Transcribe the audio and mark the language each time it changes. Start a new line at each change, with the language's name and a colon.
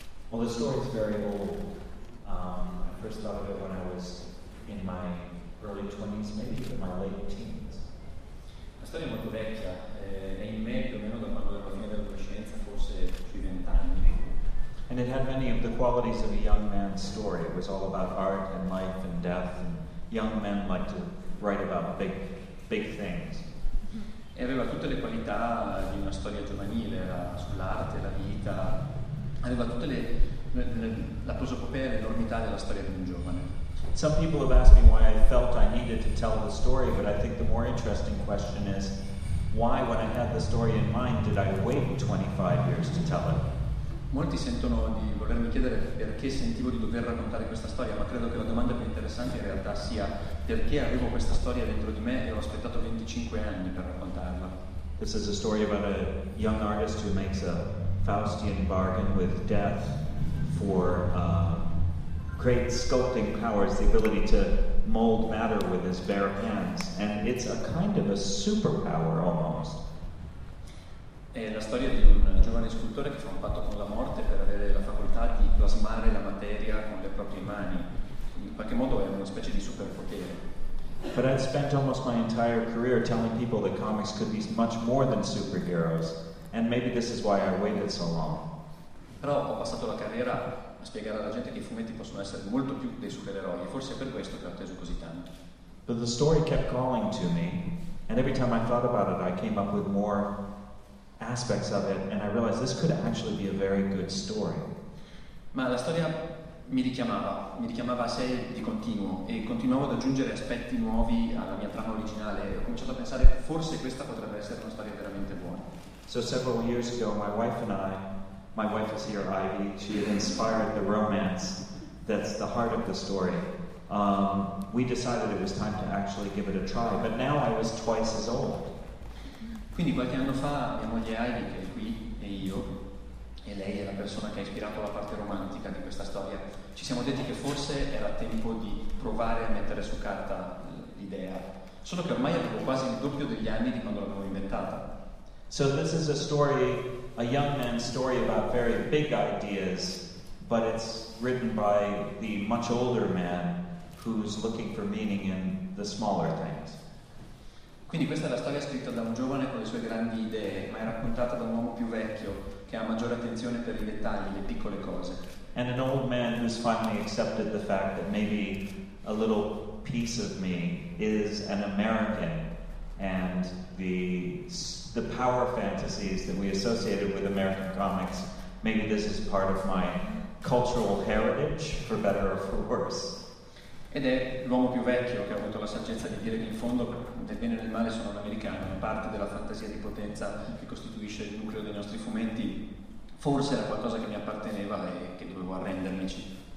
English: Well, the story is very old. I first thought of it when I was in my early 20s, maybe even my late teens.
Italian: La storia è molto vecchia, è in me più o meno da quando ero fine dell'adolescenza, forse sui 20 anni.
English: And it had many of the qualities of a young man's story. It was all about art and life and death, and young men like to write about big things.
Italian: E aveva tutte le qualità di una storia giovanile, era sull'arte, la vita, aveva tutte la prosopopea e l'enormità della storia di un giovane.
English: Some people have asked me why I felt I needed to tell the story, but I think the more interesting question is why, when I had the story in mind, did I wait 25 years to tell it?
Italian: Molti sentono di volermi chiedere perché sentivo di dover raccontare questa storia, ma credo che la domanda più interessante in realtà sia perché avevo questa storia dentro di me e ho aspettato 25 anni per raccontarla.
English: This is a story about a young artist who makes a Faustian bargain with death for great sculpting powers, the ability to mold matter with his bare hands, and it's a kind of a superpower almost.
Italian: È la storia di un giovane scultore che fa un patto con la morte per avere la facoltà di plasmare la materia con le proprie mani. In qualche modo è una specie di superpotere.
English: But I've spent almost my entire career telling people that comics could be much more than superheroes, and maybe this is why I waited so long.
Italian: Però ho passato la carriera a spiegare alla gente che i fumetti possono essere molto più dei supereroi, forse è per questo che ho atteso così tanto.
English: But the story kept calling to me, and every time I thought about it, I came up with more aspects of it, and I realized this could actually be a very good story.
Italian: Ma la storia mi richiamava a sé di continuo, e continuavo ad aggiungere aspetti nuovi alla mia trama originale, e ho cominciato a pensare che forse questa potrebbe essere una storia veramente buona.
English: So several years ago, my wife and I, my wife is here, Ivy, she had inspired the romance that's the heart of the story. We decided it was time to actually give it a try, but now I was twice as old.
Italian: Quindi qualche anno fa, mia moglie Ivy, che è qui, e io, e lei è la persona che ha ispirato la parte romantica di questa storia, ci siamo detti che forse era tempo di provare a mettere su carta l'idea, solo che ormai avevo quasi il doppio degli anni di quando l'avevo inventata.
English: So this is a story, a young man's story about very big ideas, but it's written by the much older man who's looking for meaning in the smaller things.
Italian: Quindi questa è la storia scritta da un giovane con le sue grandi idee, ma è raccontata da un uomo più vecchio che ha maggiore attenzione per i dettagli, le piccole cose.
English: And an old man who's finally accepted the fact that maybe a little piece of me is an American, and the power fantasies that we associated with American comics, maybe this is part of my cultural heritage, for better or for worse.
Italian: Ed è l'uomo più vecchio che ha avuto la saggezza di dire che in fondo del bene e del male sono un americano, una parte della fantasia di potenza che costituisce il nucleo dei nostri fumetti, forse era qualcosa che mi apparteneva e che dovevo arrendermici.